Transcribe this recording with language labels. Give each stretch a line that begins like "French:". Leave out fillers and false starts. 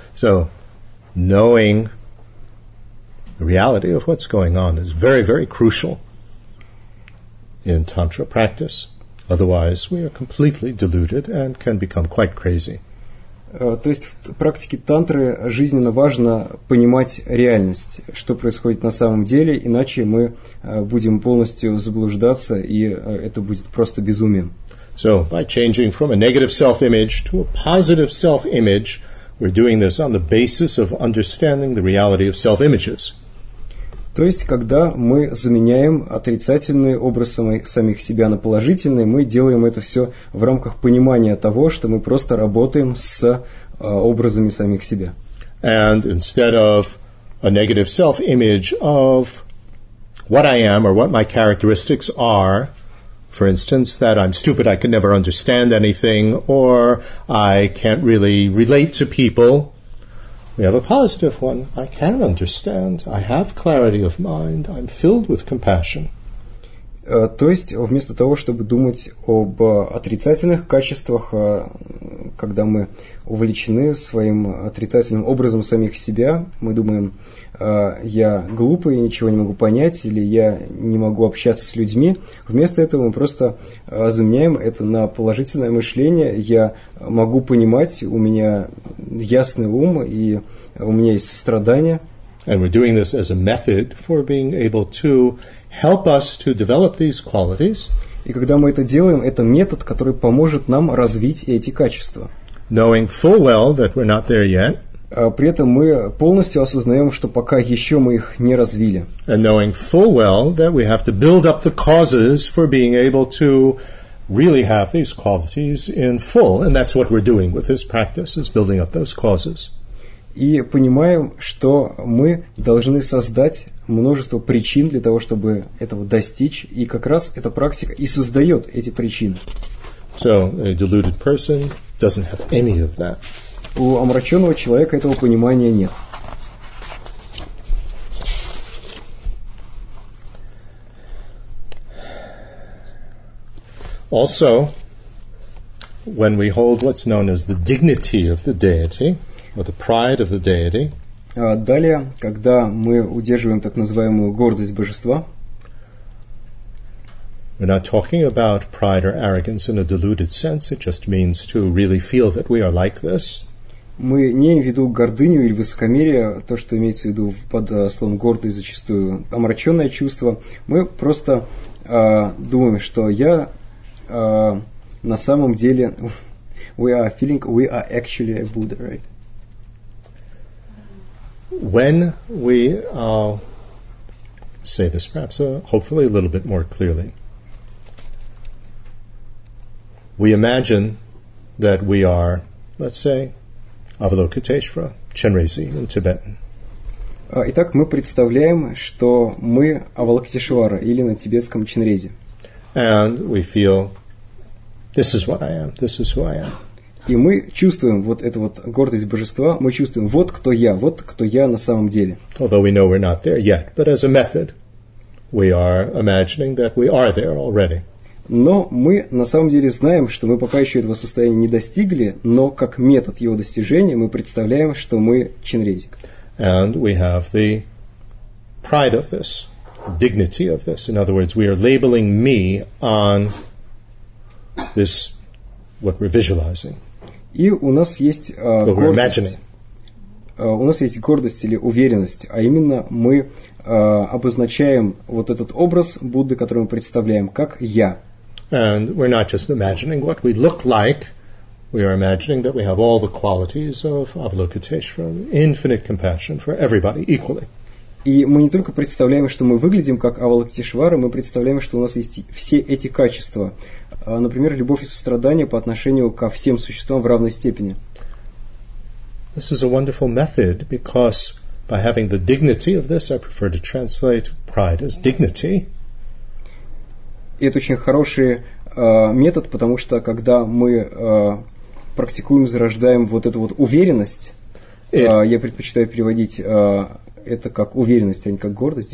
English: So, knowing the reality of what's going on is very, very crucial in tantra practice. Otherwise, we are completely deluded and can become quite crazy.
Russian: То есть в практике тантры жизненно важно понимать реальность, что происходит на самом деле, иначе мы будем полностью заблуждаться, и это будет просто безумием.
English: So, by changing from a negative self-image to a positive self-image, we're doing this on the basis of understanding the reality of self-images.
Russian: То есть, когда мы заменяем отрицательный образ самих себя на положительный, мы делаем это все в рамках понимания того, что мы просто работаем с образами самих себя.
English: And instead of a negative self-image of what I am or what my characteristics are, for instance, that I'm stupid, I can never understand anything, or I can't really relate to people, we have a positive one. I can understand. I have clarity of mind. I'm filled with compassion.
Russian: То есть, вместо того, чтобы думать об отрицательных качествах, когда мы увлечены своим отрицательным образом самих себя, мы думаем, я глупый, ничего не могу понять, или я не могу общаться с людьми, вместо этого мы просто заменяем это на положительное мышление. Я могу понимать, у меня ясный ум, и у меня есть сострадание.
English: And we're doing this as a method for being able to help us to develop these qualities.
Russian: И когда мы это делаем, это метод, который поможет нам развить эти качества.
English: Knowing full well that we're not there yet.
Russian: При этом мы полностью осознаем, что пока еще мы их не развили.
English: And knowing full well that we have to build up the causes for being able to really have these qualities in full. And that's what we're doing with this practice, is building up those causes.
Russian: И понимаем, что мы должны создать множество причин для того, чтобы этого достичь. И как раз эта практика и создает эти причины.
English: So, a deluded person doesn't have any of that.
Russian: У омраченного человека этого понимания нет.
English: Also, when we hold what's known as the dignity of the deity, or the pride of the deity.
Russian: Далее, когда мы удерживаем так называемую гордость божества,
English: we're not talking about pride or arrogance in a deluded sense. It just means to really feel that we are like this.
Russian: Мы не имеем в виду гордыню или высокомерие, то, что имеется в виду под словом гордость, зачастую омраченное чувство. Мы просто думаем, что я на самом деле
English: we are feeling we are actually a Buddha, right? When we say this, perhaps hopefully a little bit more clearly, we imagine that we are, let's say, Avalokiteshvara, Chenrezig in Tibetan.
Russian: Итак, мы представляем, что мы Авалокитешвара или на тибетском Ченрези.
English: And we feel, this is what I am, this is who I am.
Russian: И мы чувствуем вот эту вот гордость божества, мы чувствуем, вот кто я на самом деле.
English: Although we know we're not there yet, but as a method, we are imagining that we are there already.
Russian: Но мы на самом деле знаем, что мы пока еще этого состояния не достигли, но как метод его достижения мы представляем, что мы чинрезик.
English: And we have the pride of this, dignity of this. In other words, we are labeling me on this, what we're visualizing.
Russian: И у нас есть гордость или уверенность, а именно мы обозначаем вот этот образ Будды, который мы представляем, как я.
English: And we're not just imagining what we look like, we are imagining that we have all the qualities of Avalokiteshvara, infinite compassion for everybody equally.
Russian: И мы не только представляем, что мы выглядим как Авалокитешвара, мы представляем, что у нас есть все эти качества. Например, любовь и сострадание по отношению ко всем существам в равной степени.
English: This is a wonderful method, because by having the dignity of this, I prefer to translate pride as dignity.
Russian: И это очень хороший метод, потому что когда мы практикуем, зарождаем вот эту вот уверенность, я предпочитаю переводить это как уверенность, а не как гордость.